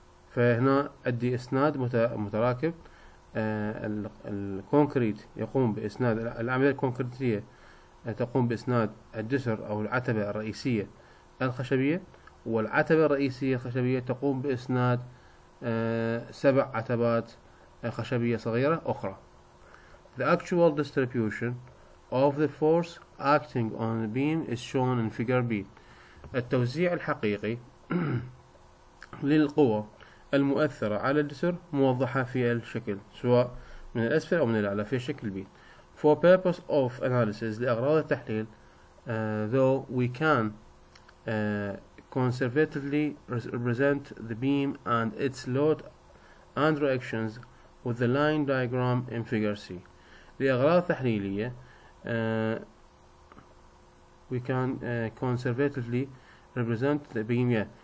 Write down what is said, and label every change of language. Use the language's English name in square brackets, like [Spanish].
[Arabic] فهنا أدي إسناد متراكب، الكونكريت يقوم بإسناد العملية الكونكريتية تقوم بإسناد الجسر أو العتبة الرئيسية الخشبية، والعتبة الرئيسية الخشبية تقوم بإسناد سبع عتبات خشبية صغيرة أخرى. [English] The actual distribution of the force acting on the beam is shown in figure B. [Arabic] التوزيع الحقيقي للقوة المؤثرة على الجسر موضحة في الشكل سواء من الأسفل أو من الأعلى في شكل B. [English] For purpose of analysis, [Arabic] لأغراض التحليل, [English] though we can conservatively represent the beam and its load and reactions with the line diagram in figure C. [Arabic] لأغراض تحليلية, [English] we can conservatively represent the beam.